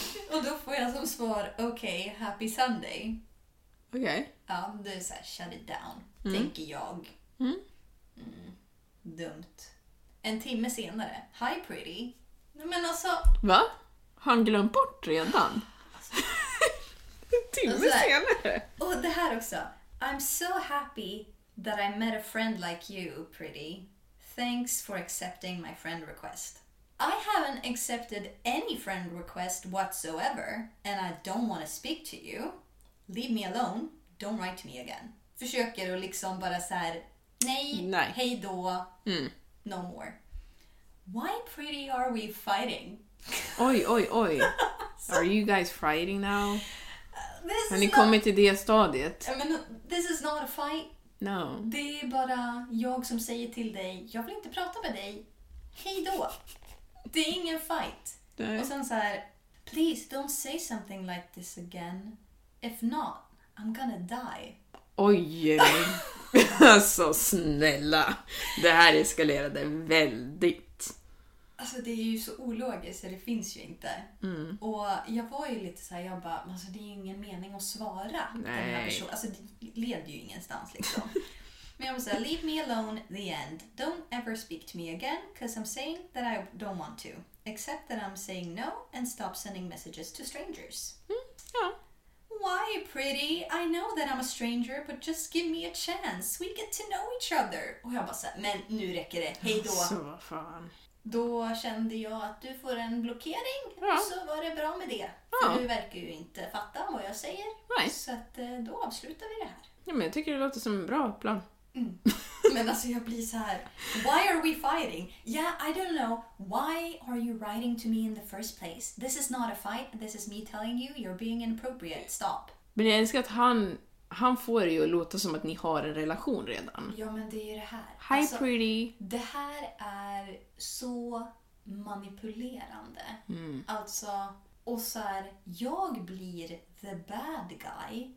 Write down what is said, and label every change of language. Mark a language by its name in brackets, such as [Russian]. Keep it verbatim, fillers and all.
[Swedish] Och då får jag som svar okej, okay, [English] happy Sunday. [Swedish] Okej. Okay. Ja, det är såhär, [English] shut it down, [Swedish] mm. tänker jag. Mm. Mm. Dumt. En timme senare, [English] hi pretty. [Swedish] Men alltså... Va? Har han glömt bort redan? Alltså. En timme senare? Och det här också. [English] I'm so happy that I met a friend like you, pretty. Thanks for accepting my friend request. I haven't accepted any friend request whatsoever and I don't want to speak to you. Leave me alone. Don't write to me again. [Swedish] försöker att liksom bara så här, nej, nej. hej då, mm. [English] no more. Why pretty are we fighting? Oj, oj, oj. Are you guys fighting now? [Swedish] Har ni kommit till det stadiet? [English] I mean, this is not a fight. No. [Swedish] Det är bara jag som säger till dig, jag vill inte prata med dig. Hej då. Det är ingen fight. Nej. Och sen så här, [English] please don't say something like this again. If not, I'm gonna die. [Swedish] Oj. Alltså snälla. Det här eskalerade väldigt. Alltså det är ju så ologiskt så det finns ju inte. Mm. Och jag var ju lite så här, jag bara, alltså det är ju ingen mening att svara. Nej. Den här personen, alltså det leder ju ingenstans liksom. Men jag var så här, [English] leave me alone, the end. Don't ever speak to me again, cause I'm saying that I don't want to. Except that I'm saying no and stop sending messages to strangers. [Swedish] Mm. Ja. [English] Why, pretty? I know that I'm a stranger, but just give me a chance. We get to know each other. [Swedish] Och jag bara så här, men nu räcker det. Hej då. Så fan. Då kände jag att du får en blockering. Ja. Och så var det bra med det. Ja. För du verkar ju inte fatta vad jag säger. Nej. Så att då avslutar vi det här. Ja, men jag tycker det låter som en bra plan. Mm. Men alltså jag blir så här. [English] Why are we fighting? Yeah, I don't know. Why are you writing to me in the first place? This is not a fight. This is me telling you you're being inappropriate. Stop. [Swedish] Men jag älskar att han, han får det ju att låta som att ni har en relation redan. Ja, men det är ju det här. [English] Hi [Swedish] alltså, [English] pretty. [Swedish] Det här är så manipulerande. Mm. Alltså, och så här, jag blir [English] the bad guy